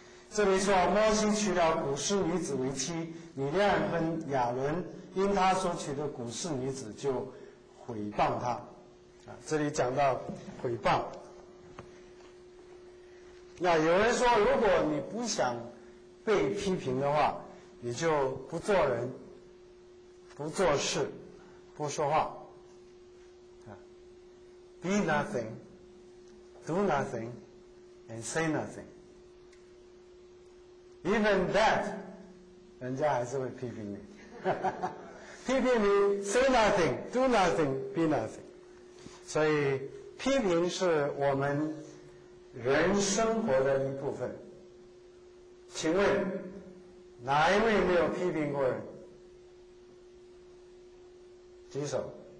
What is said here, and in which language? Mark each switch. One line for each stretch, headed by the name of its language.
Chinese: 这里说摩西娶了古示女子为妻，米甸跟亚伦因他所娶的古示女子就毁谤他。这里讲到毁谤，那有人说，如果你不想被批评的话，你就不做人，不做事，不说话。
English: Be nothing, do nothing, and say nothing. Even that,
Chinese: 人家还是会批评你。批评你
English: say nothing, do nothing, be nothing.
Chinese: 所以批评是我们人生活的一部分。请问哪一位没有批评过人？举手。